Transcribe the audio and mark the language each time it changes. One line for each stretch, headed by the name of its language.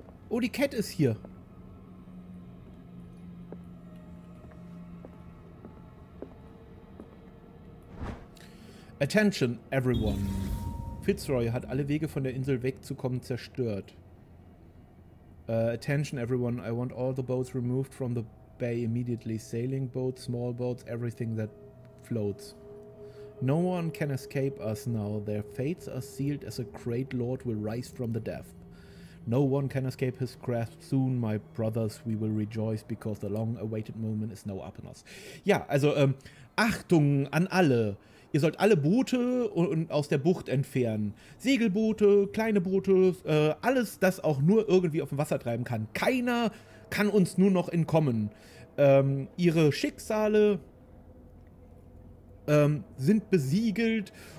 German: Oh, die Cat ist hier.
English: Attention, everyone.
German: Fitzroy hat alle Wege von der Insel wegzukommen zerstört.
English: Attention, everyone. I want all the boats removed from the bay immediately. Sailing boats, small boats, everything that floats. No one can escape us now. Their fates are sealed as a great lord will rise from the depths. No one can escape his grasp soon, my brothers. We will rejoice because the long-awaited moment is now upon us.
German: Ja, also Achtung an alle. Ihr sollt alle Boote und aus der Bucht entfernen. Segelboote, kleine Boote, alles, das auch nur irgendwie auf dem Wasser treiben kann. Keiner kann uns nur noch entkommen. Ihre Schicksale sind besiegelt.